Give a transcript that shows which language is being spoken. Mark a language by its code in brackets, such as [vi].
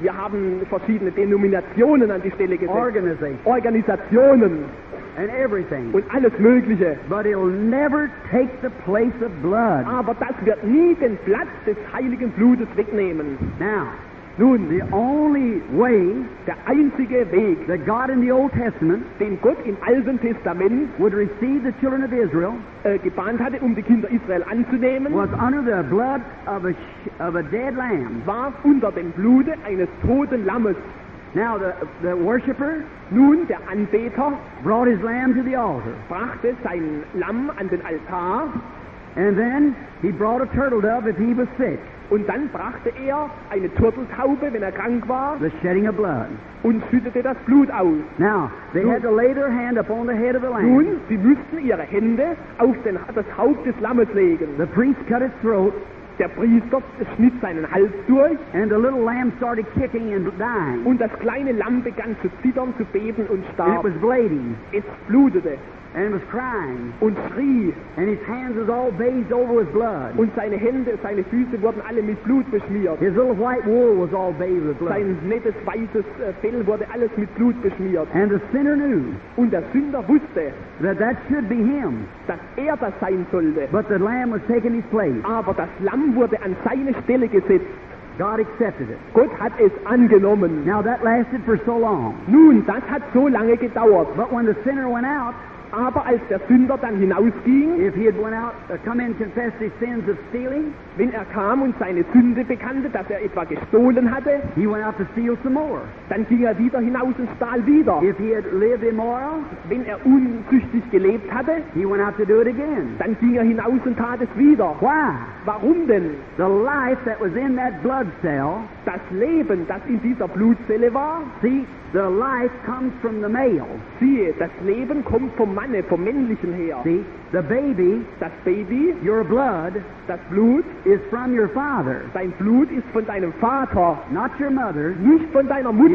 [de] Wir haben verschiedene Denominationen an die Stelle gesetzt. [en] Organization. [de] Organisationen. [en] And everything. [de] Und alles Mögliche. [en] But it'll never take the place of blood. [de] Aber das wird nie den Platz des heiligen Blutes wegnehmen. [en] Now, [de] Nun, [en] the only way, [de] der einzige Weg, [en] that God in the Old Testament, [de] den Gott im Alten Testament, [en] would receive the children of Israel, [de] gebannt hatte, die Kinder Israel anzunehmen, [en] was under the blood of a dead lamb. [de] War unter dem Blute eines toten Lammes. [en] Now the worshipper, [de] nun der Anbeter, [en] brought his lamb to the altar, [de] brachte sein Lamm an den Altar, [en] and then he brought a turtle dove if he was sick. [de] Und dann brachte eine Turteltaube, wenn krank war, [en] the shedding of blood. [de] Und schüttete das Blut aus. [en] Now they had to lay their hand upon the head of the lamb. [de] Nun, sie müssten ihre Hände auf das Haupt des Lammes legen. [en] The priest cut its throat. [de] Der Priester schnitt seinen Hals durch, [en] and the little lamb started kicking and dying. [de] Und das kleine Lamm begann zu zittern, zu beben und starb. [en] It was bleeding. [de] Es blutete. [en] And was crying. [de] Und schrie. [en] And his hands was all bathed over with blood. [de] Und seine Hände, seine Füße wurden alle mit Blut beschmiert. [en] His little white wool was all bathed with blood. [de] Sein nettes weißes Fell wurde alles mit Blut beschmiert. [en] And the sinner knew. [de] Und der Sünder wusste. [en] That should be him. [de] Dass das sein sollte. [en] But the lamb was taking his place. [de] Aber das Lamm wurde an seine Stelle gesetzt. [en] God accepted it. [de] Gott hat es angenommen. [en] Now that lasted for so long. [de] Nun, das hat so lange gedauert. [en] But when the sinner went out. [de] Aber als der Sünder dann hinausging, [en] if he had went out, come in and confessed his sins of stealing, [de] wenn kam und seine Sünde bekannte, dass etwa gestohlen hatte, [en] he went out to steal some more. [de] Dann ging wieder hinaus und stahl wieder. [en] If he had lived immoral, [de] wenn unzüchtig gelebt hatte, [en] he went out to do it again. [de] Dann ging hinaus und tat es wieder. [en] Why? [de] Warum denn? [en] The life that was in that blood cell, [de] das Leben, das in dieser Blutzelle war, [en] see, the life comes from the male. [de] Siehe, das Leben kommt vom Manne, vom Männlichen her. [en] See, the baby, [de] das Baby, [en] your blood, [de] das Blut, [en] is from your father. [de] Dein Blut ist von deinem Vater. [en] Not your mother. [de] Nicht von deiner Mutter.